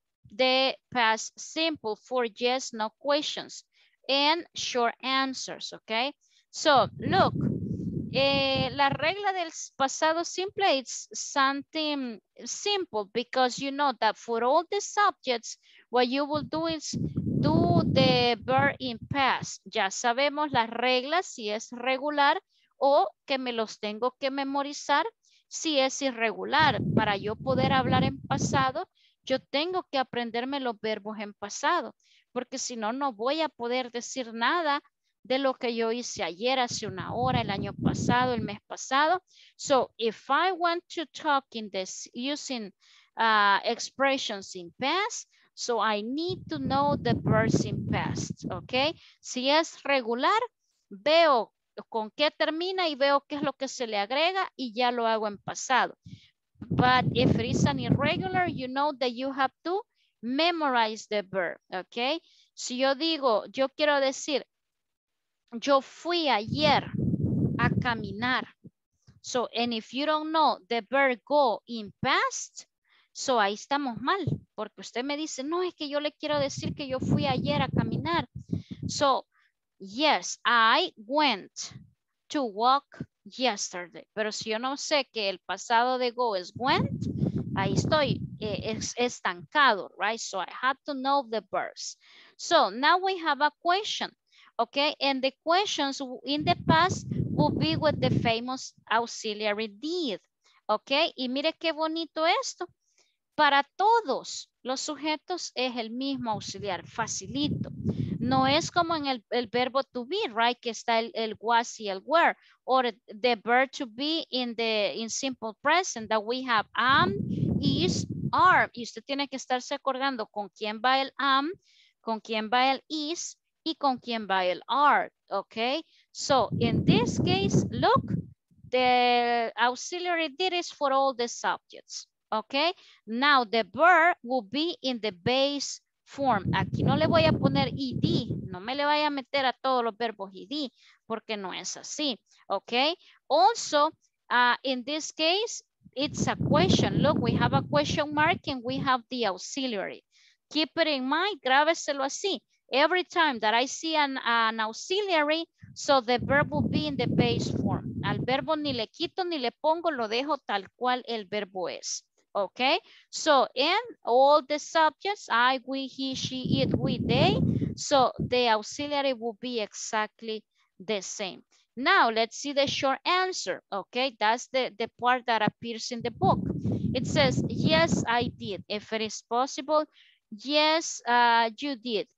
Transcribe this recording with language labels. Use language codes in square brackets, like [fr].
[en] The past simple for yes, no questions and short answers, okay? So look, [es] la regla del pasado simple, [en] it's something simple because you know that for all the subjects, what you will do is do the verb in past. [es] Ya sabemos las reglas si es regular o que me los tengo que memorizar si es irregular. Para yo poder hablar en pasado, yo tengo que aprenderme los verbos en pasado porque si no, no voy a poder decir nada de lo que yo hice ayer, hace una hora, el año pasado, el mes pasado. [en] So if I want to talk in this using expressions in past, so I need to know the verbs in past, okay? [es] Si es regular, veo con qué termina y veo qué es lo que se le agrega y ya lo hago en pasado. [en] But if it is an irregular, you know that you have to memorize the verb, okay? [es] Si yo digo, yo quiero decir, yo fui ayer a caminar. [en] So, and if you don't know the verb go in past, so [es] ahí estamos mal, porque usted me dice, no, es que yo le quiero decir que yo fui ayer a caminar. [en] So, yes, I went to walk yesterday. [es] Pero si yo no sé que el pasado de go [en] is went, [es] ahí estoy estancado, right? [en] So I have to know the verbs. So now we have a question, okay? And the questions in the past will be with the famous auxiliary did, okay? [es] Y mire qué bonito esto. Para todos los sujetos es el mismo auxiliar, facilito. No es como en el verbo to be, right? Que está el was y el were. [en] Or the verb to be in simple present that we have am, is, are. [es] Y usted tiene que estarse acordando con quién va el am, con quién va el is, y con quién va el are, okay? [en] So in this case, look, the auxiliary did is for all the subjects. Okay, now the verb will be in the base form. [es] Aquí no le voy a poner ed, no me le vaya a meter a todos los verbos ed, porque no es así. [en] Okay, also in this case, it's a question. Look, we have a question mark and we have the auxiliary. Keep it in mind, [es] grábeselo así. [en] every time that I see an auxiliary, so the verb will be in the base form. [es] Al verbo ni le quito ni le pongo, lo dejo tal cual el verbo es. [en] Okay, so in all the subjects, I, we, he, she, it, we, they, so the auxiliary will be exactly the same. Now let's see the short answer. Okay, that's the part that appears in the book. It says, yes, I did. If it is possible, yes, you did.